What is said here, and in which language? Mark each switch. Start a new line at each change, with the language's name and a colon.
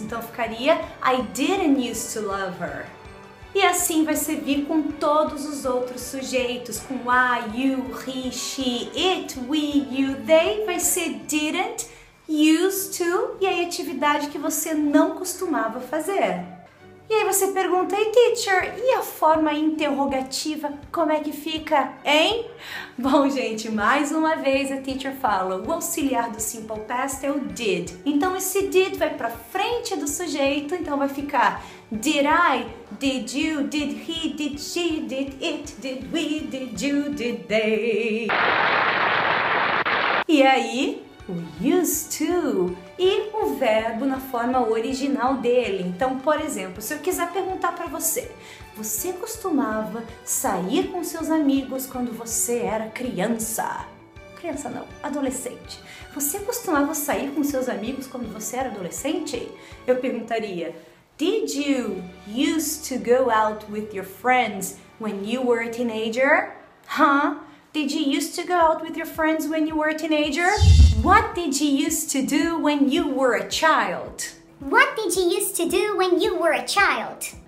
Portuguese: Então, ficaria
English: I didn't used to love her.
Portuguese: E assim vai servir com todos os outros sujeitos, com
English: I, you, he, she, it, we, you, they,
Portuguese: vai ser
English: didn't used to
Portuguese: e a atividade que você não costumava fazer. E aí você pergunta,
English: hey, teacher,
Portuguese: e a forma interrogativa, como é que fica, hein? Bom, gente, mais uma vez a teacher fala, o auxiliar do simple past é o did. Então esse did vai pra frente do sujeito, então vai ficar
English: did I, did you, did he, did she, did it, did we, did you, did they.
Portuguese: E aí, o used to e o verbo na forma original dele. Então, por exemplo, se eu quiser perguntar para você, você costumava sair com seus amigos quando você era criança? Criança não, adolescente. Você costumava sair com seus amigos quando você era adolescente? Eu perguntaria,
English: did you used to go out with your friends when you were a teenager? Huh? Did you used to go out with your friends when you were a teenager? What did you used to do when you were a child? What did you used to do when you were a child?